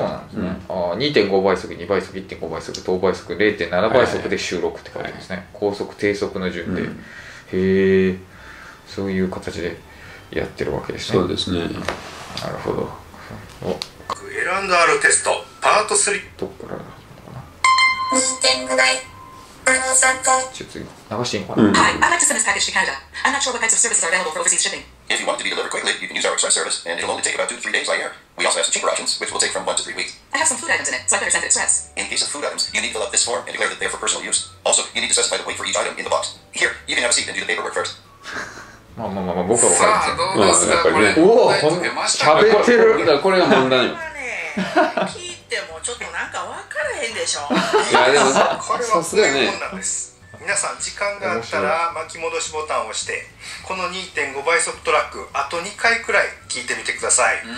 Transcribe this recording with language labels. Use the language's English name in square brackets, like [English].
[Japanese] そうなんですね、うん、2.5 倍速、2倍速、1.5 倍速、等倍速、0.7 倍速で収録って書いてますね、はいはい、高速、低速の順で、うん、へえ、そういう形でやってるわけですね。そうですね。なるほど。おクエランダールテストパート3。どっからだったかな。ミーティング内ちょっと流していいのかな。 [English] うん、Hi, I'd like to send this package to Canada. I'm not sure what kinds of services are available for overseas shipping. If you want to be delivered quickly, you can use our express service, and it'll only take about 2-3 days by air. We also have some cheaper options, which will take from 1-3 weeks. I have some food items in it, so I better send it express. In case of food items, you need to fill out this form and declare that they are for personal use. Also, you need to specify the weight for each item in the box. Here, you can have a seat and do the paperwork first. [Japanese] まあ、僕は分かるんですよ。さあ、どうですか、これ。食べてる。これが問題よ。ちょっとなんか分かれへんでしょ。いやでもこれはこんなんです、ね、皆さん時間があったら巻き戻しボタンを押してこの 2.5 倍速トラックあと2回くらい聞いてみてください。